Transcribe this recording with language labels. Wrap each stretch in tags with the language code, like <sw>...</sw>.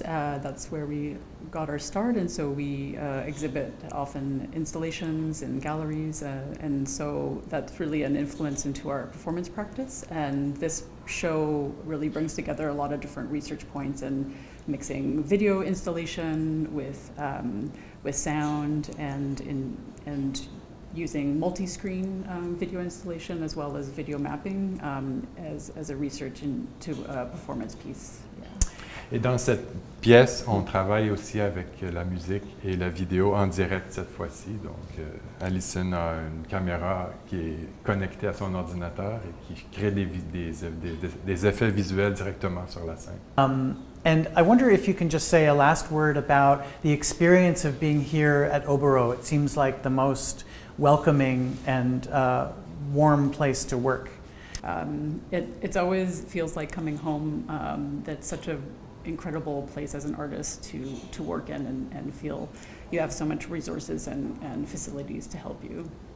<en>That's where we got our start, and so we exhibit often installations in galleries, and so that's really an influence into our performance practice, and this show really brings together a lot of different research points and mixing video installation with sound and using multi-screen video installation as well as video mapping as a research into a performance piece. Yeah.</en> <fr>Et dans cette pièce, on travaille aussi avec la musique et la vidéo en direct cette fois-ci. Donc, Allison a une caméra qui est connectée à son ordinateur et qui crée des effets visuels directement sur la scène.</fr> <en>And I wonder if you can just say a last word about the experience of being here at Oboro. It seems like the most welcoming and warm place to work. It always feels like coming home. That's such an incredible place as an artist to work in and feel you have so much resources and facilities to help you.</en>